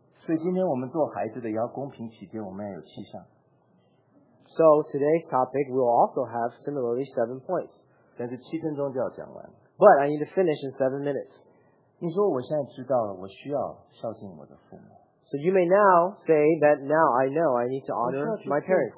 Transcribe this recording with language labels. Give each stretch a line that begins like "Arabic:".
Chinese: 所以今天我们做孩子的要公平起见，我们要有七项。
English: So today's topic will also have similarly 7 points.
Chinese: 但是7分钟就要讲完,
English: but I need to finish in 7 minutes.
Chinese: 你说我现在知道了, 我需要孝敬我的父母。
English: So you may now say that now I know I need to honor my parents.